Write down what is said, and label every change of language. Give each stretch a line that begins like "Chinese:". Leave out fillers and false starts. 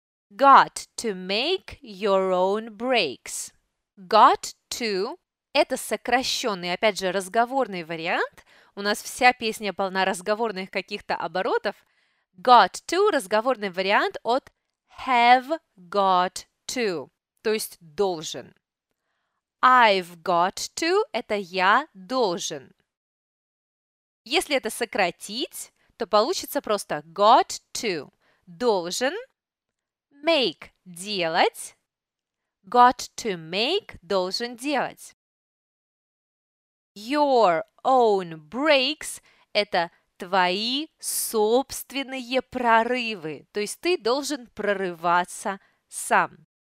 English: Got to make your own breaks. Got to
Russian: – это сокращенный, опять же, разговорный вариант. У нас вся песня полна разговорных каких-то оборотов.
English: Got to
Russian: – разговорный вариант от
English: have got to,
Russian: то есть должен.
English: I've got to
Russian: – это я должен. Если это сократить, то получится просто
English: got to
Russian: – должен. Make – делать.
English: Got to make
Russian: – должен делать.
English: Your own breaks
Russian: – это твои собственные прорывы. То есть ты должен прорываться сам.